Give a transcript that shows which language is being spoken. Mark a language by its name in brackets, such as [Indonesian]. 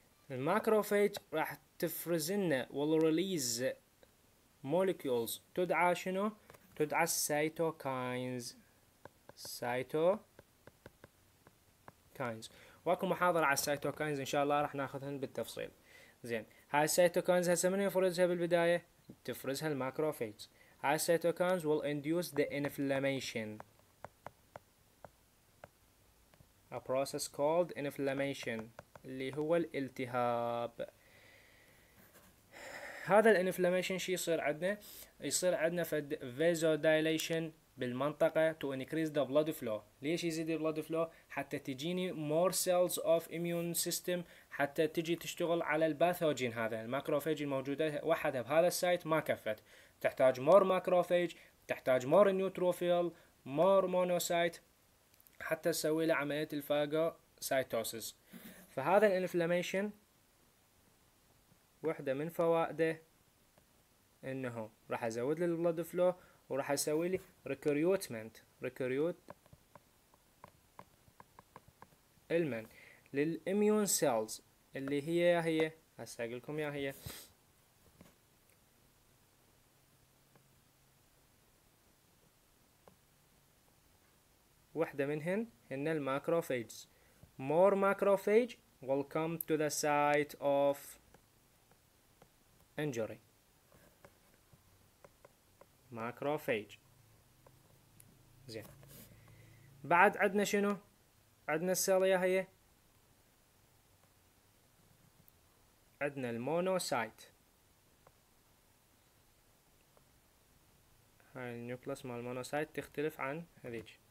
[Arabic] الماكروفاج راح تفرز لنا والريليز مولكيولز تدعى شنو؟ تدعى السيتوكاينز، سيتوكاينز. واكو محاضرة على السيتوكاينز ان شاء الله راح ناخذهن بالتفصيل. زين، هاي السيتوكاينز هسه من يفرزها بالبداية؟ تفرزها الماكروفاج. هاي السيتوكاينز [English] will induce the inflammation, a process called inflammation [Arabic] اللي هو الالتهاب. هذا الانفلاميشن شي يصير عندنا؟ يصير عندنا فد vasodilation بالمنطقة [English] to increase the blood flow. [Arabic] ليش يزيد [English] blood flow؟ [Arabic] حتى تجيني [English] more cells of immune system [Arabic] حتى تجي تشتغل على الباثوجين. هذا الماكروفاج الموجودة وحدها بهذا السايت ما كفت، تحتاج مور ماكروفاج، تحتاج مور نيوتروفيل، مور مونوسايت حتى تسوي له عملية الفاجوسايتوسيس. فهذا الانفلاميشن واحدة من فوائده انه راح ازود لي البلود فلو وراح اسوي لي ريكروتمنت، ريكروتمنت المن للاميون سيلز اللي هي يا هي هسه اقول لكم يا هي وحده منهن هن الماكروفاجز. [English] more macrophage will come to the site of injury. [Arabic] macrophage زين. بعد عندنا شنو؟ عندنا السالية هي عندنا المونوسايت، هاي النيوكلاس مال المونوسايت تختلف عن هذيج.